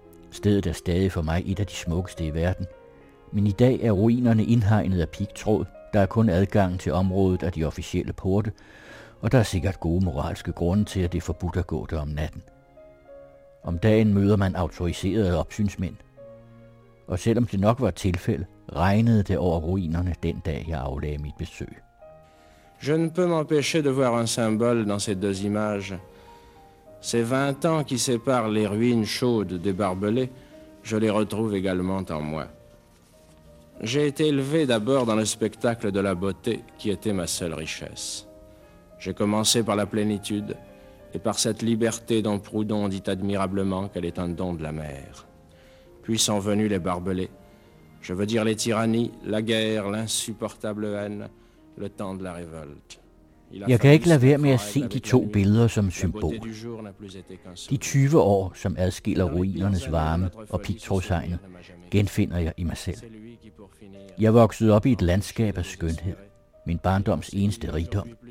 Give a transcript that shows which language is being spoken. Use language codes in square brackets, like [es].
[da] Stedet er stadig for mig et af de smukkeste i verden, men i dag er ruinerne indhegnet af pigtråd, der er kun adgang til området af de officielle porte, og der er sikkert gode moralske grunde til, at det er forbudt at gå der om natten. Om dagen møder man autoriserede opsynsmænd, og selvom det nok var et tilfælde, regnede det over ruinerne den dag, jeg aflagde mit besøg. [fr] Je ne peux m'empêcher de voir un symbole dans ces deux images. Ces 20 ans qui séparent les ruines chaudes des barbelés, je les retrouve également en moi. J'ai été élevé d'abord dans le spectacle de la beauté qui était ma seule richesse. J'ai commencé par la plénitude et par cette liberté dont Proudhon dit admirablement qu'elle est un don de la mer. Puis sont venus les barbelés. Je veux dire les tyrannies, la guerre, l'insupportable haine, le temps de la révolte. [da] Jeg kan ikke lade være med at se de to billeder som symbol. De 20 år, som adskiller ruinernes varme og pigtrådshegnet, genfinder jeg i mig selv. Jeg voksede op i et landskab af skønhed, min barndoms eneste rigdom.